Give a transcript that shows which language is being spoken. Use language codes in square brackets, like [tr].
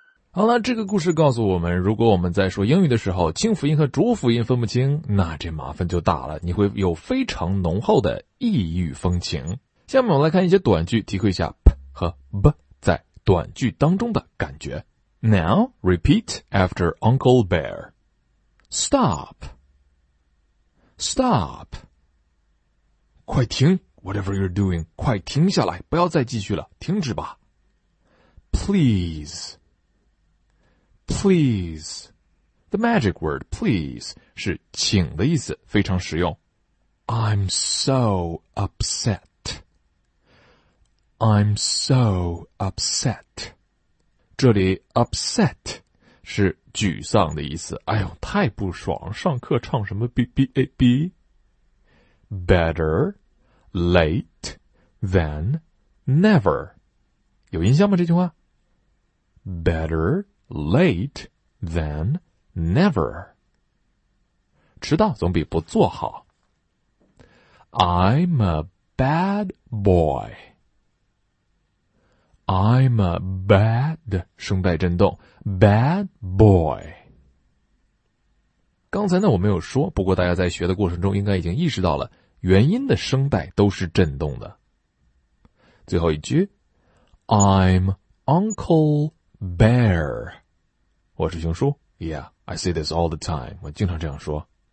[zh] 好了，这个故事告诉我们，如果我们在说英语的时候清辅音和浊辅音分不清，那这麻烦就大了，你会有非常浓厚的异域风情。下面我们来看一些短句，体会一下和 b 在短句当中的感觉。 [en] Now repeat after Uncle Bear. Stop. Stop. [zh] 快停， [en] whatever you're doing， [zh] 快停下来，不要再继续了，停止吧。 [en] Please. Please. The magic word please [zh] 是请的意思，非常实用。 [en] I'm so upset. I'm so upset. [zh] 这里 upset 是沮丧的意思。哎呦，太不爽，上课唱什么 BBAB? [en] Better late than never. [zh] 有印象吗这句话？ [en] Better late than never. [zh] 迟到总比不做好。 [en] I'm a bad boy. I'm a bad, [zh] 声带震动, [en] bad boy. [zh] 刚才呢我没有说，不过大家在学的过程中应该已经意识到了，元音的声带都是震动的。最后一句， [en] I'm Uncle Bear. [zh] 我是熊叔。 [en] Yeah, I say this all the time, [zh] 我经常这样说。